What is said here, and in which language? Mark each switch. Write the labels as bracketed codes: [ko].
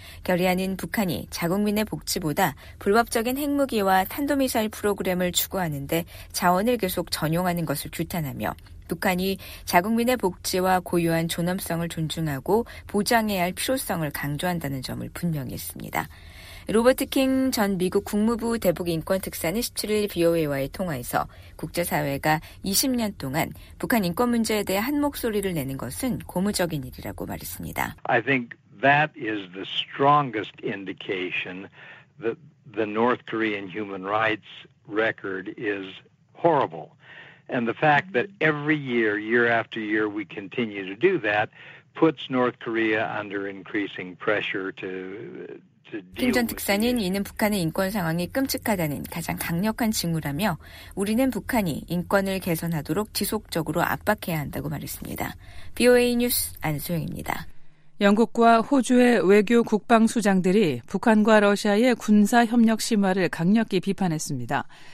[ko] 결의안은 북한이 자국민의 복지보다 불법적인 핵무기와 탄도미사일 프로그램을 추구하는 데 자원을 계속 전용하는 것을 규탄하며 북한이 자국민의 복지와 고유한 존엄성을 존중하고 보장해야 할 필요성을 강조한다는 점을 분명히 했습니다. 로버트 킹 전 미국 국무부 대북인권특사는 17일 VOA와의 통화에서 국제사회가 20년 동안 북한 인권 문제에 대해 한 목소리를 내는 것은 고무적인 일이라고 말했습니다. [en] I think that is the strongest indication that the North Korean human rights record is horrible. And the fact that every year, year after year, we continue to do that puts North Korea under increasing pressure to deal with. [ko] 김 전 특사는 이는 북한의 인권 상황이 끔찍하다는 가장 강력한 징후라며 우리는 북한이 인권을 개선하도록 지속적으로 압박해야 한다고 말했습니다. BOA 뉴스 안소영입니다. 영국과 호주의 외교 국방 수장들이 북한과 러시아의 군사 협력 심화를 강력히 비판했습니다.